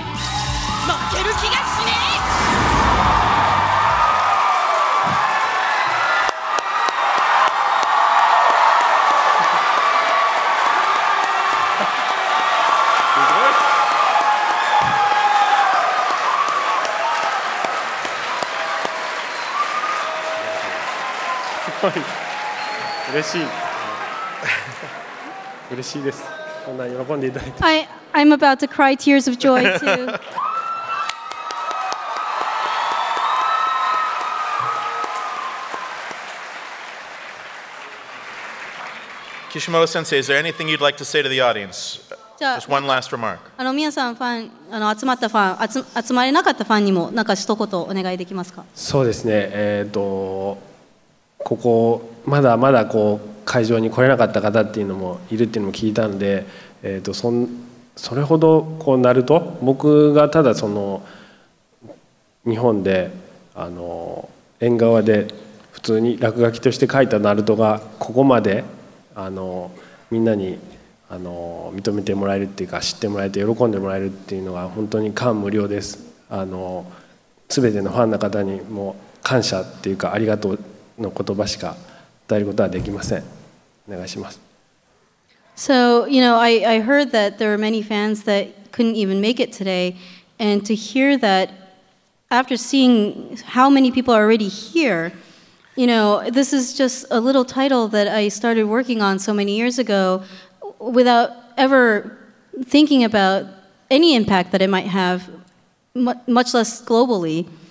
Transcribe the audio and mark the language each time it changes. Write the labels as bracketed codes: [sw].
[ja] 負ける気がしねえ。すごい。嬉しい。嬉しいです。こんな喜んでいただいて。はい。 [en] I'm about to cry tears of joy too. Kishimoto sensei, is there anything you'd like to say to the audience? Just one last remark. [ja] あの、皆さんファン、あの、集まったファン、集まれなかったファンにも何か一言お願いできますか？そうですね。ここまだまだこう会場に来れなかった方っていうのもいるっていうのも聞いたんで、それほどこうナルト、僕がただその日本であの縁側で普通に落書きとして書いたナルトがここまであのみんなにあの認めてもらえるっていうか知ってもらえて喜んでもらえるっていうのは本当に感無量です。あの全てのファンの方にも感謝っていうかありがとうの言葉しか伝えることはできません。お願いします。 [en] So, you know, I heard that there are many fans that couldn't even make it today. And to hear that, after seeing how many people are already here, you know, this is just a little title that I started working on so many years ago without ever thinking about any impact that it might have, much less globally.